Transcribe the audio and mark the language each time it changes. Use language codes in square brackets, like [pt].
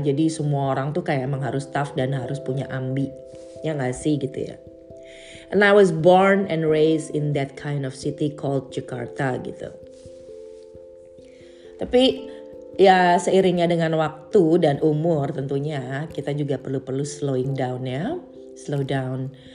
[id] Jadi semua orang tuh kayak emang harus tough dan harus punya ambi. Ya gak sih gitu ya. [en] And I was born and raised in that kind of city called Jakarta gitu. [id] Tapi ya seiringnya dengan waktu dan umur tentunya kita juga perlu [en] slowing down [id] ya. [en] Slow down.